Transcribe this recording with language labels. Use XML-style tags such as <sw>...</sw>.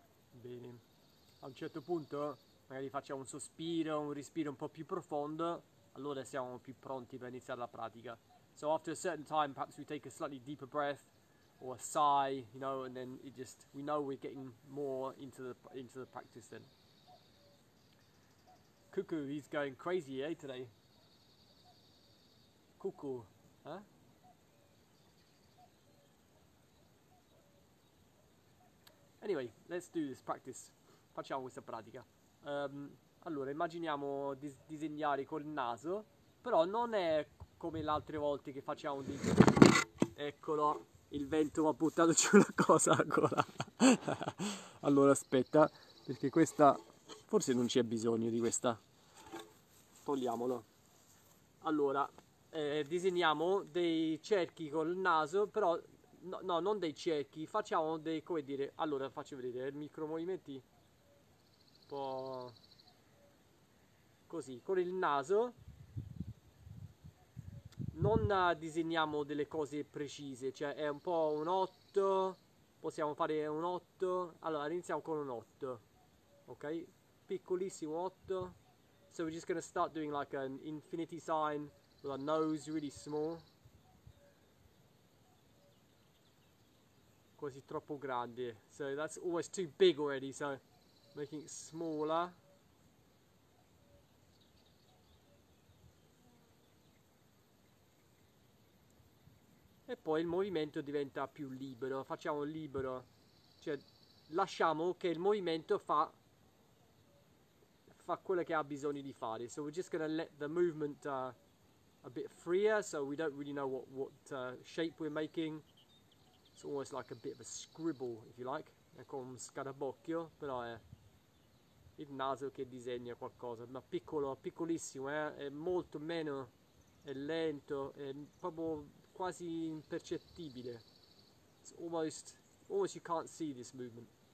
<it>Bene, a un certo punto magari facciamo un sospiro, un respiro un po' più profondo, allora siamo più pronti per iniziare la pratica.</it> <en>So after a certain time perhaps we take a slightly deeper breath or a sigh, you know, and then it just, we know we're getting more into the practice then. Cuckoo, he's going crazy, eh, today. Cuckoo, huh? Anyway, let's do this practice.</en> <it>Facciamo questa pratica. Allora, immaginiamo di disegnare col naso, però non è come le altre volte che facciamo dei. Eccolo, il vento mi ha buttato giù una cosa ancora. Allora, aspetta, perché questa. Forse non c'è bisogno di questa. Togliamolo. Allora, disegniamo dei cerchi col naso, però. No, no, non dei cerchi, facciamo dei, come dire, allora faccio vedere, micro movimenti, un po' così, con il naso non disegniamo delle cose precise, cioè è un po' un 8, possiamo fare un 8, allora iniziamo con un 8, ok? Piccolissimo 8,</it> <en>so we're just gonna start doing like an infinity sign with our nose really small.</en> <it>Quasi troppo grande,</it> <en>so that's almost too big already, so making it smaller.</en> <it>E poi il movimento diventa più libero. Facciamo libero, cioè lasciamo che il movimento fa quello che ha bisogno di fare.</it> <en>So we're just gonna let the movement a bit freer, so we don't really know what shape we're making. It's almost like a bit of a scribble, if you like.</en> <it>Ecco un scarabocchio, però è il naso che disegna qualcosa, ma piccolo, piccolissimo, è molto meno, è lento, è proprio quasi impercettibile.</it> <en>It's almost you can't see this movement.</en>